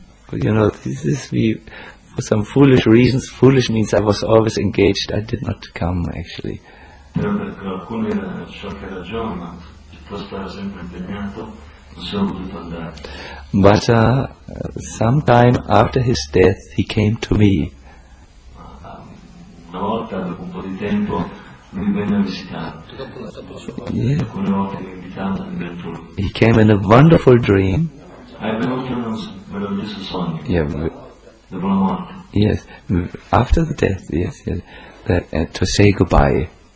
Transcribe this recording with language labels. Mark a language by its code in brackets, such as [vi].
[en] but for some foolish reasons, foolish means I was always engaged, I did not come actually. But sometime after his death, he came to me. [it] Una volta, dopo un po' di tempo, lui venne a visitare. Alcune volte mi invitava in ventura. [en] He came in a wonderful dream. [it] È venuto in un meraviglioso sogno. [en] Yeah. [it] Dopo la morte. [en] Yes, after the death, yes, yes. To say goodbye.